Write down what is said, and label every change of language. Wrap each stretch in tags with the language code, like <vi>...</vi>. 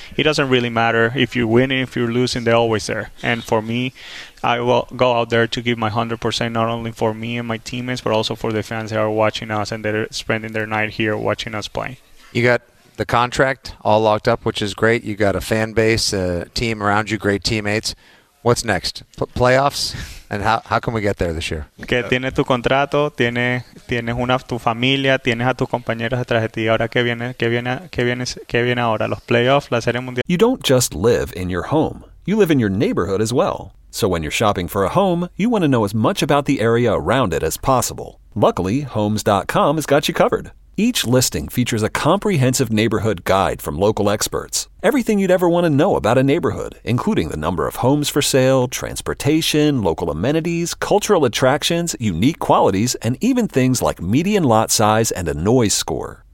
<en>It doesn't really matter if you're winning, if you're losing. They're always there. And for me, I will go out there to give my 100%, not only for me and my teammates, but also for the fans that are watching us and that are spending their night here watching us play. You got the contract all locked up, which is great. You got a fan base, a team around you, great teammates. What's next? Playoffs? And how can we get there this year?</en> <es>Que tienes tu contrato, tienes una tu familia, tienes a tus compañeros detrás de ti. Ahora qué viene ahora, los playoffs, la serie mundial.</es> <en>You don't just live in your home. You live in your neighborhood as well. So when you're shopping for a home, you want to know as much about the area around it as possible. Luckily, homes.com has got you covered. Each listing features a comprehensive neighborhood guide from local experts. Everything you'd ever want to know about a neighborhood, including the number of homes for sale, transportation, local amenities, cultural attractions, unique qualities, and even things like median lot size and a noise score.</en>